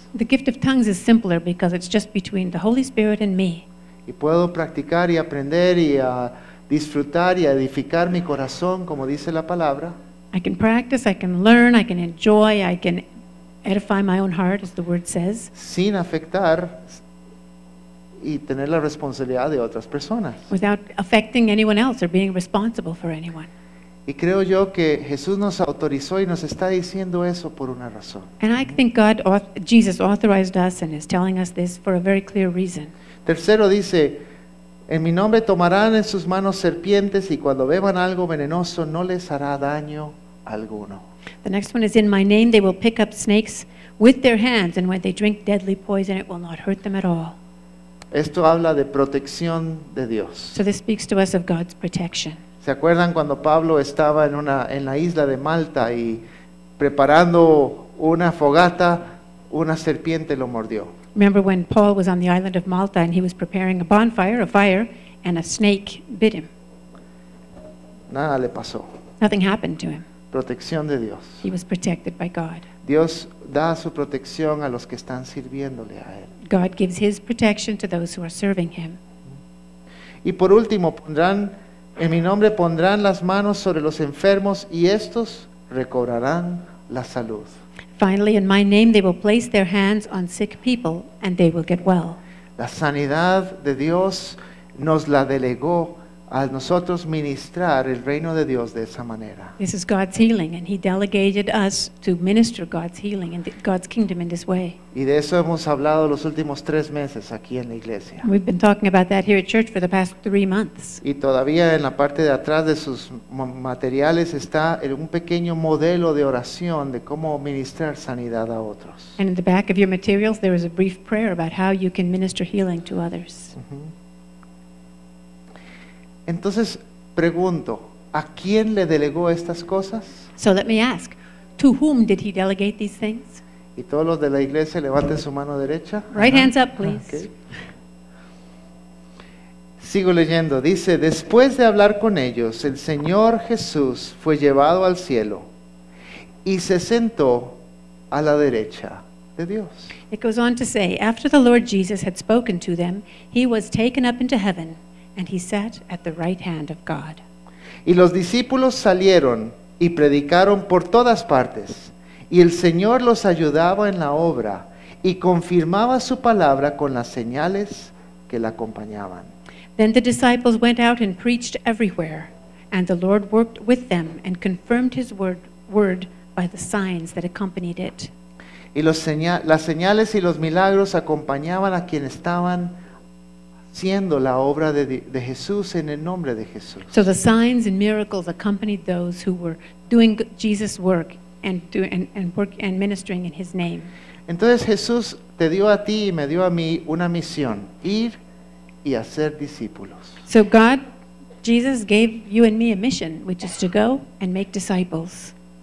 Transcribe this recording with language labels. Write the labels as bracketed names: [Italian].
[English] The gift of tongues is simpler because it's just between the Holy Spirit and me. [Spanish] Y puedo practicar y aprender y disfrutar y edificar mi corazón, como dice la palabra. [English] I can practice, I can learn, I can enjoy, I can edify my own heart, as the word says. [Spanish] Sin afectar y tener la responsabilidad de otras personas. [English] Without affecting anyone else or being responsible for anyone. [Spanish] Y creo yo que Jesús nos autorizó y nos está diciendo eso por una razón. [English] And I think God, Jesus authorized us and is telling us this for a very clear reason. [Spanish] Tercero dice, en mi nombre tomarán en sus manos serpientes y cuando beban algo venenoso no les hará daño alguno. [English] The next one is, in my name they will pick up snakes with their hands and when they drink deadly poison it will not hurt them at all. [Spanish] Esto habla de protección de Dios. [English] So this speaks to us of God's protection. [Spanish] ¿Se acuerdan cuando Pablo estaba en la isla de Malta y preparando una fogata, una serpiente lo mordió? [English] Remember when Paul was on the island of Malta and he was preparing a bonfire, a fire, and a snake bit him. [Spanish] Nada le pasó. [English] Nothing happened to him. [Spanish] Protección de Dios. [English] He was protected by God. [Spanish] Dios da su protección a los que están sirviéndole a él. [English] God gives his protection to those who are serving him. [Spanish] Y por último, pondrán en mi nombre pondrán las manos sobre los enfermos y estos recobrarán la salud. [English] Finally, in my name they will place their hands on sick people and they will get well. [Spanish] La sanidad de Dios nos la delegó a nosotros ministrar el reino de Dios de esa manera. [English] This is God's healing and he delegated us to minister God's healing and God's kingdom in this way. [Spanish] Y de eso hemos hablado los últimos tres meses aquí en la iglesia. [English] We've been talking about that here at church for the past three months. [Spanish] Y todavía en la parte de atrás de sus materiales está un pequeño modelo de oración de cómo ministrar sanidad a otros. [English] And in the back of your materials there is a brief prayer about how you can minister healing to others. [Spanish] Entonces pregunto, ¿a quién le delegó estas cosas? [English] So let me ask, to whom did he delegate these things? [Spanish] Y todos los de la iglesia levanten su mano derecha. [English] Right hands up, please. Okay. [Spanish] Sigo leyendo, dice, después de hablar con ellos, el Señor Jesús fue llevado al cielo y se sentó a la derecha de Dios. [English] It goes on to say, after the Lord Jesus had spoken to them, he was taken up into heaven. And he sat at the right hand of God. [Spanish] Y los discípulos salieron y predicaron por todas partes. Y el Señor los ayudaba en la obra y confirmaba su palabra con las señales que la acompañaban. [English] Then the disciples went out and preached everywhere. And the Lord worked with them and confirmed his word by the signs that accompanied it. [Spanish] Y las señales y los milagros acompañaban a quienes estaban siendo la obra de Jesús en el nombre de Jesús. [English] So the signs and miracles accompanied those who were doing Jesus' work and ministering in his name. [Spanish] Entonces Jesús te dio a ti y me dio a mí una misión, ir y hacer discípulos. [English] So God, Jesus gave you and me a mission, which is to go and make disciples.